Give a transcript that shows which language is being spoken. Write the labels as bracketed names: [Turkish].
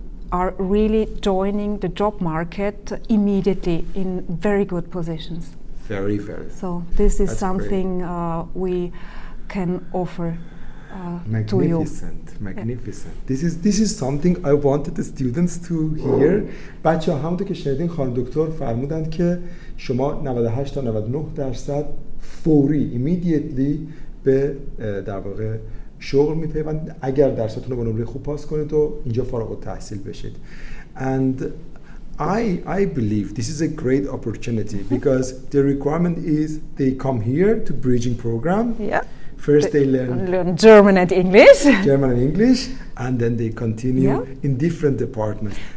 [English] are really joining the job market immediately in very good positions. Very, very. So this is something we can offer to you. Magnificent, magnificent. Yeah. This is something I wanted the students to hear. [Persian] بچه ها همونطور که شنیدین خانم دکتر فرمودند که شما 98 تا 99% فوری immediately به در واقع شغل میپیوند اگر درستتون رو به نمره خوب پاس کنید و اینجا فارغ التحصیل بشید. [English] And I believe this is a great opportunity because the requirement is they come here to bridging program. Yeah. First they learn German and English. German and English, and then they continue in different departments.